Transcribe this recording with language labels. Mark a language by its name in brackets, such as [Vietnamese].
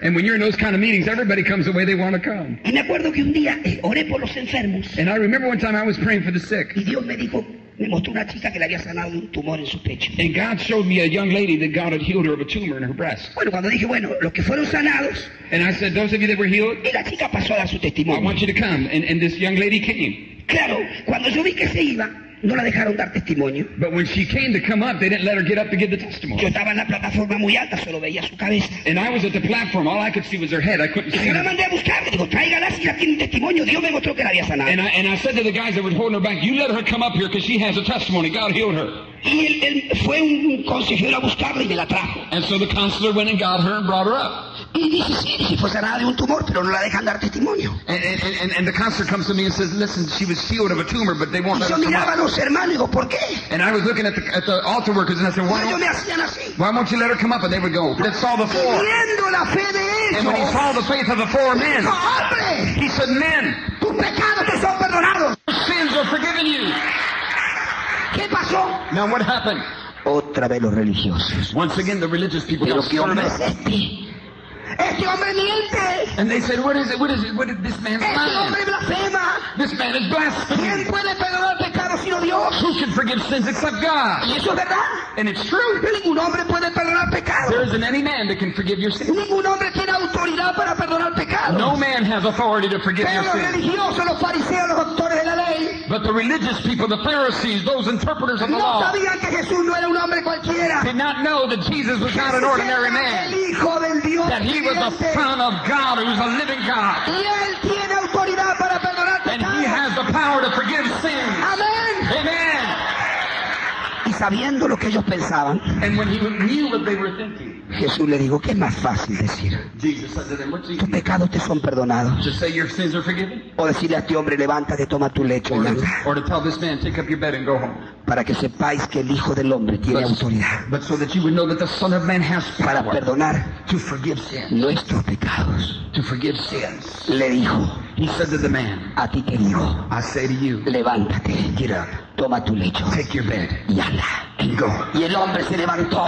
[English] And when you're in those kind of meetings, everybody comes the way they want to come. [Spanish] Y me acuerdo que un día oré por los enfermos. [English] And I remember one time I was praying for the sick. [Spanish] Y Dios me dijo, me mostró una chica que le había sanado un tumor en su pecho. [English] And God showed me a young lady that God had healed her of a tumor in her breast. [Spanish] Bueno, cuando dije, bueno, los que fueron sanados. [English] And I said, those of you that were healed. [Spanish] Y la chica pasó a dar su testimonio. [English] I want you to come. And this young lady came. [Spanish] Claro, cuando yo vi que se iba, no la dejaron dar testimonio. [English] But when she came to come up, they didn't let her get up to give the testimony. [Spanish] Yo estaba en la plataforma muy alta, solo veía su cabeza. [English] And I was at the platform, all I could see was her head. I couldn't see her. [Spanish] Y yo la mandé a buscar, digo, tráigala si ya tiene un testimonio. Dios me mostró que la había sanado. [English] And I said to the guys that were holding her back, you let her come up here because she has a testimony. God healed her. [Spanish] Y él fue un consejero a buscarla y me la trajo. [English] And so the counselor went and got her and brought her up. [Spanish] Y dice, sí, dice, fue sanada de un tumor, pero no la dejan dar testimonio. [English] And the counselor comes to me and says, listen, she was healed of a tumor, but they won't [Spanish] y [English] let her come up. [Spanish] Y yo miraba a los hermanos y digo, ¿por qué? [English] And I was looking at the altar workers and I said, why won't you let her come up? And they would go, they saw the four. [Spanish] Viendo la fe de ellos. [English] And when he saw the faith of the four men, he said, men, [Spanish] tus pecados te son perdonados. [English] Your sins are forgiven you. [Spanish] ¿Qué pasó? [English] Now what happened? [Spanish] Otra vez los religiosos. [English] Once again, the religious people [Spanish] pero [English] got stormed. [Spanish] Este hombre miente. [English] And they said, what is it? What is it? What is this man's [Spanish] este hombre blasfema. [English] This man is blasphemy. [Spanish] ¿Quién puede perdonar pecados sino Dios? [English] Who can forgive sins except God? [Spanish] ¿Y eso es verdad? [English] And it's true. [Spanish] Ningún hombre puede perdonar pecados. [English] There isn't any man that can forgive your sins. [Spanish] Ningún hombre tiene autoridad para perdonar pecados. [English] No man has authority to forgive [Spanish] pero [English] your sins. [Spanish] Pero los religiosos, los fariseos, los doctores de la ley. [English] But the religious people, the Pharisees, those interpreters of the [Spanish] no [English] law. [Spanish] No sabían que Jesús no era un hombre cualquiera. [English] Did not know that Jesus was not an ordinary man. [Spanish] El hijo del Dios. [English] That He was the Son of God, who is a living God. [Spanish] Y él tiene autoridad para perdonar pecados. [English] And he has the power to forgive sins. [Spanish] Amen. [English] Amen. [Spanish] Y sabiendo lo que ellos pensaban, [English] and when he knew what they were thinking, [Spanish] Jesús le dijo, ¿qué es más fácil decir? [English] Jesus said to them, what's easier? [Spanish] Tus pecados te son perdonados. [English] To say your sins are forgiven? [Spanish] O decirle a este hombre, levántate, toma tu lecho y anda. [English] Or to tell this man, take up your bed and go home. [Spanish] Para que sepáis que el Hijo del Hombre tiene autoridad. [English] But so that you would know that the Son of Man has power. [Spanish] Para perdonar. [English] To forgive sins. [Spanish] Nuestros pecados. [English] To forgive sins. [Spanish] Le dijo. [English] He said to the man. [Spanish] A ti te digo. [English] I say to you. [Spanish] Levántate. [English] Get up. [Spanish] Toma tu lecho. [English] Take your bed. [Spanish] Y anda. [English] And go. [Spanish] Y el hombre se levantó.